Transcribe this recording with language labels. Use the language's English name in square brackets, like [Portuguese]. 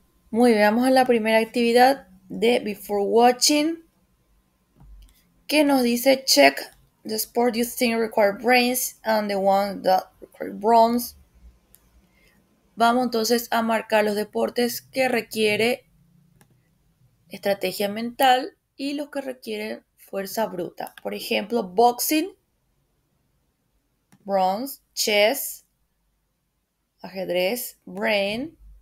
[Spanish] Muy bien, vamos a la primera actividad de Before Watching. ¿Qué nos dice? [English] Check the sport you think require brains and the one that require bronze. [Spanish] Vamos entonces a marcar los deportes que requiere estrategia mental y los que requieren fuerza bruta. Por ejemplo, [English] boxing, bronze, chess, ajedrez, brain.